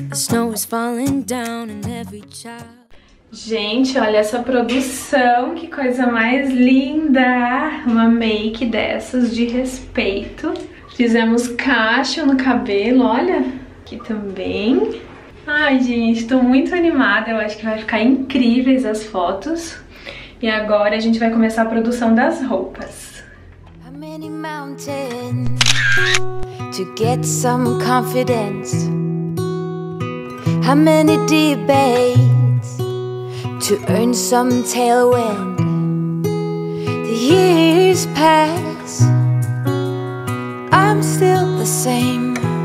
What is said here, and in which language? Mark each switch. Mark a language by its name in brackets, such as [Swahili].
[English] The snow is falling down and every child. [Portuguese] Gente, olha essa produção, que coisa mais linda! Uma make dessas de respeito. Fizemos cacho no cabelo, olha, aqui também. Ai, gente, tô muito animada, eu acho que vai ficar incríveis as fotos. E agora a gente vai começar a produção das roupas. [English] How many mountains to get some confidence? How many debates to earn some tailwind? The years pass. I'm still the same.